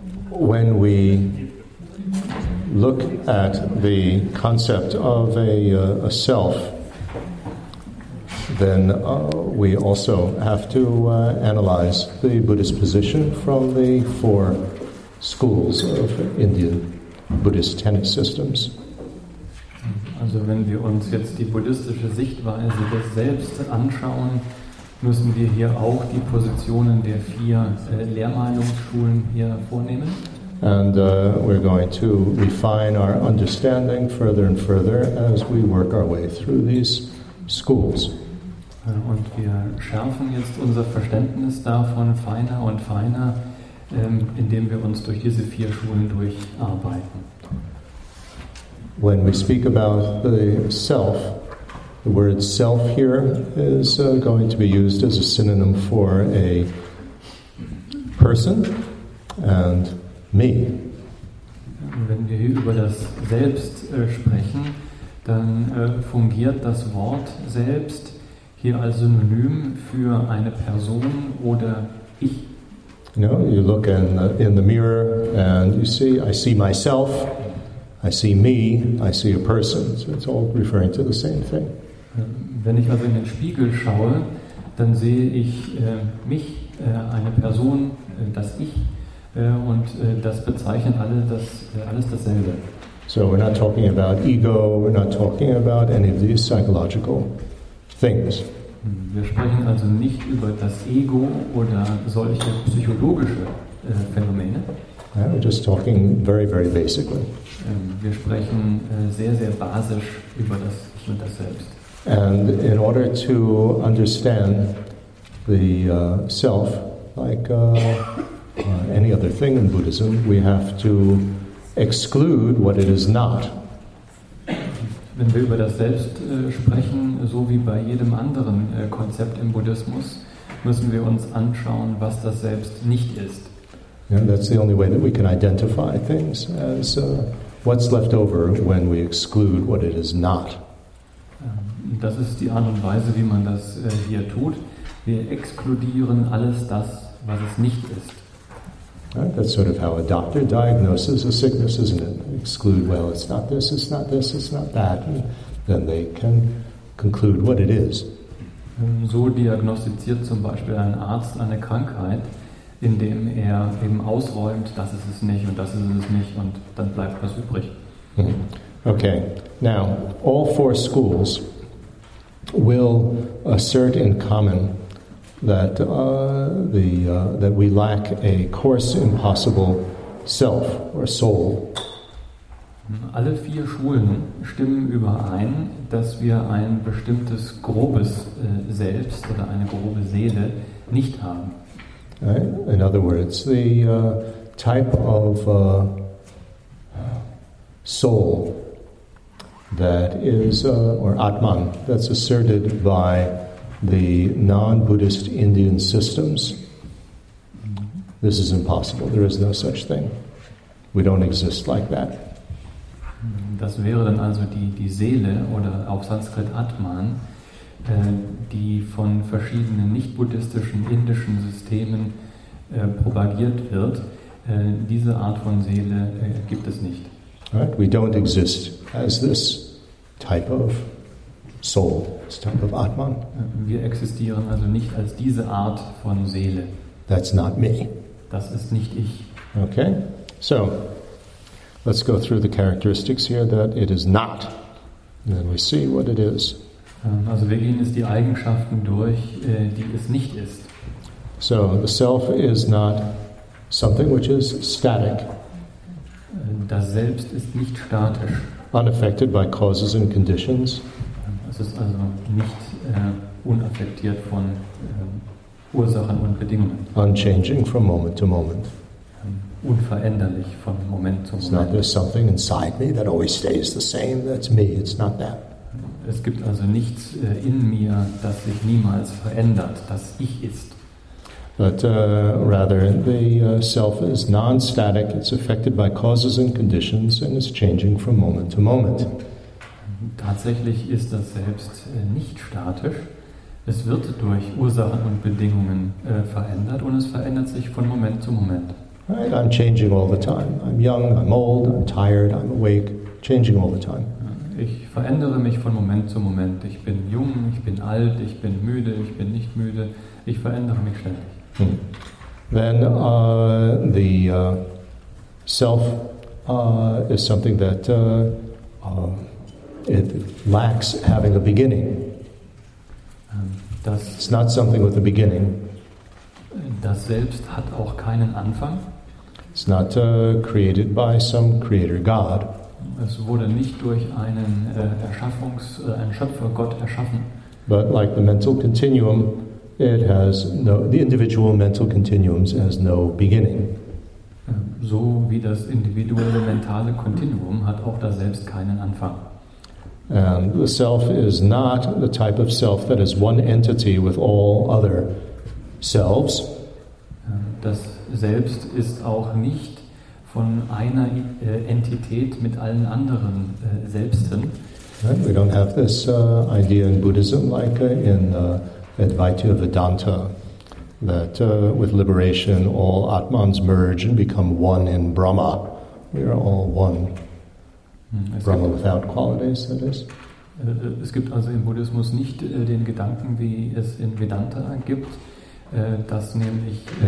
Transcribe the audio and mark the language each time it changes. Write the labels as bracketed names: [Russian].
[English] when we look at the concept of a self, then we also have to analyze the Buddhist position from the four schools of Indian Buddhist tenet systems. [German] Also wenn wir uns jetzt die buddhistische Sichtweise des Selbst anschauen, müssen wir hier auch die Positionen der vier Lehrmeinungsschulen hier vornehmen. [English] And we're going to refine our understanding further and further as we work our way through these schools. [German] Und wir schärfen jetzt unser Verständnis davon feiner und feiner, indem wir uns durch diese vier Schulen durcharbeiten. [English] When we speak about the self, the word self here is going to be used as a synonym for a person and me. [German] Wenn wir hier über das Selbst sprechen, dann fungiert das Wort Selbst hier als Synonym für eine Person oder ich. [English] No, you look in the mirror and you see, I see myself, I see me, I see a person. So it's all referring to the same thing. [German] Wenn ich also in den Spiegel schaue, dann sehe ich mich, eine Person, das Ich, und das bezeichnet alles dasselbe. [English] So we're not talking about ego, we're not talking about any of these psychological things. [German] Wir sprechen also nicht über das Ego oder solche psychologische Phänomene. [English] Yeah, we're just talking very, very basically. [German] Wir sprechen sehr, sehr basisch über das Ich und das Selbst. [English] And in order to understand the self, like any other thing in Buddhism, we have to exclude what it is not. [German] Wenn wir über das Selbst sprechen, so wie bei jedem anderen Konzept im Buddhismus, müssen wir uns anschauen, was das Selbst nicht ist. [English] Yeah, that's the only way that we can identify things as what's left over when we exclude what it is not. [German] Das ist die Art und Weise, wie man das hier tut. Wir exkludieren alles das, was es nicht ist. [English] Right, that's sort of how a doctor diagnoses a sickness, isn't it? Exclude, well, it's not this, it's not this, it's not that. And then they can conclude what it is. [German] So diagnostiziert zum Beispiel ein Arzt eine Krankheit, indem er eben ausräumt, das ist es nicht und das ist es nicht, und dann bleibt was übrig. [English] Okay, now, all four schools will assert in common that that we lack a coarse, impossible self or soul. [German] Alle vier Schulen stimmen überein, dass wir ein bestimmtes grobes Selbst oder eine grobe Seele nicht haben. [English] Right? In other words, the type of soul that is, or Atman, that's asserted by the non-Buddhist Indian systems. This is impossible. There is no such thing. We don't exist like that. [German] Das wäre dann also die Seele, oder auf Sanskrit Atman, die von verschiedenen nicht-buddhistischen indischen Systemen propagiert wird. Diese Art von Seele gibt es nicht. [English] Right? We don't exist as this type of soul, this type of Atman. [German] Wir existieren also nicht als diese Art von Seele. [English] That's not me. [German] Das ist nicht ich. [English] Okay, so let's go through the characteristics here that it is not. And then we see what it is. [German] Also wir gehen jetzt die Eigenschaften durch, die es nicht ist. [English] So the self is not something which is static. [German] Das Selbst ist nicht statisch. [English] Unaffected by causes and conditions. [German] Es ist also nicht unaffektiert von Ursachen und Bedingungen. [English] Unchanging from moment to moment. [German] Unveränderlich von Moment zu Moment. [English] It's not there's something inside me that always stays the same. That's me. It's not that. [German] Es gibt also nichts in mir, das sich niemals verändert, das ich ist. [English] But rather, the self is non-static, it's affected by causes and conditions, and is changing from moment to moment. [German] Tatsächlich ist das Selbst nicht statisch. Es wird durch Ursachen und Bedingungen verändert, und es verändert sich von Moment zu Moment. [English] Right? I'm changing all the time. I'm young, I'm old, I'm tired, I'm awake, changing all the time. [German] Ich verändere mich von Moment zu Moment. Ich bin jung, ich bin alt, ich bin müde, ich bin nicht müde. Ich verändere mich ständig. Hmm. [English] Then the self is something that it lacks having a beginning. [German] Das, [English] it's not something with a beginning. [German] Das Selbst hat auch keinen Anfang. [English] It's not created by some creator God. [German] Es wurde nicht durch einen einen Schöpfergott erschaffen. [English] But like the mental continuum, it has no, the individual mental continuums has no beginning. [German] So wie das individuelle mentale Kontinuum hat auch das Selbst keinen Anfang. [English] And the self is not the type of self that is one entity with all other selves. [German] Das Selbst ist auch nicht von einer Entität mit allen anderen Selbsten. [English] We don't have this idea in Buddhism like in Advaita Vedanta, that with liberation all Atmans merge and become one in Brahma. We are all one. [German] Es [English] Brahma without qualities, that is. [German] Es gibt also im Buddhismus nicht den Gedanken, wie es in Vedanta gibt, dass nämlich